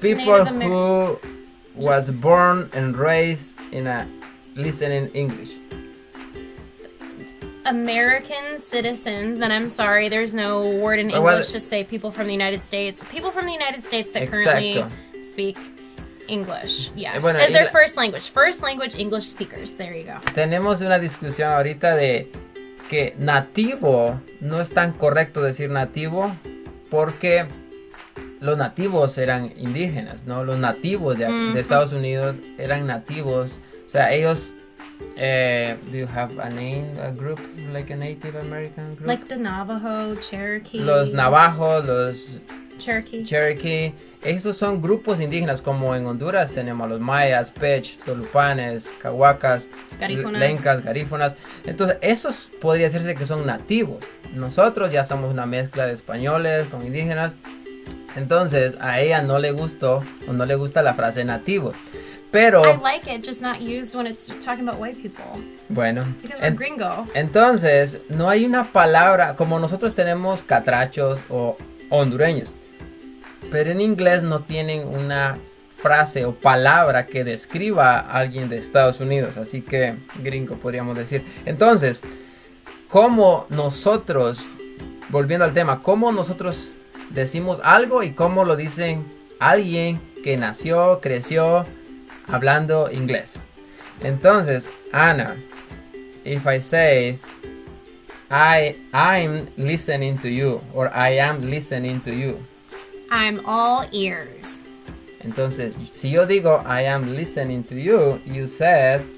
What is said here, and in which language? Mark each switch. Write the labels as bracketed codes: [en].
[en] people who was born and raised in a listening English. American citizens, and I'm sorry, there's no word in English to say people from the United States. People from the United States that currently speak English, yes. [es] Bueno, [en] as their first language. First language English speakers. There you go. [es] Tenemos una discusión ahorita de que nativo no es tan correcto decir nativo porque los nativos eran indígenas, ¿no? Los nativos de Estados Unidos eran nativos. O sea, ellos... [en] do you have a name, a group, like a Native American group? Like the Navajo, Cherokee. [es] Los Navajos, los... Cherokee. Esos son grupos indígenas, como en Honduras tenemos a los mayas, pech, tolupanes, cahuacas, lencas, garífunas. Entonces, esos podría decirse que son nativos. Nosotros ya somos una mezcla de españoles con indígenas. Entonces, a ella no le gustó o no le gusta la frase nativo. Pero... [en] I like it, just not used when it's talking about white people. [es] Bueno. [en] Because we're gringo. [es] Entonces, no hay una palabra, como nosotros tenemos catrachos o hondureños. Pero en inglés no tienen una frase o palabra que describa a alguien de Estados Unidos. Así que gringo podríamos decir. Entonces, ¿cómo nosotros, volviendo al tema, cómo nosotros decimos algo y cómo lo dicen alguien que nació, creció hablando inglés? [en] Entonces, Ana, if I say I'm listening to you or I am listening to you. I'm all ears. [es] Entonces, si yo digo, [en] I am listening to you, [es] you said...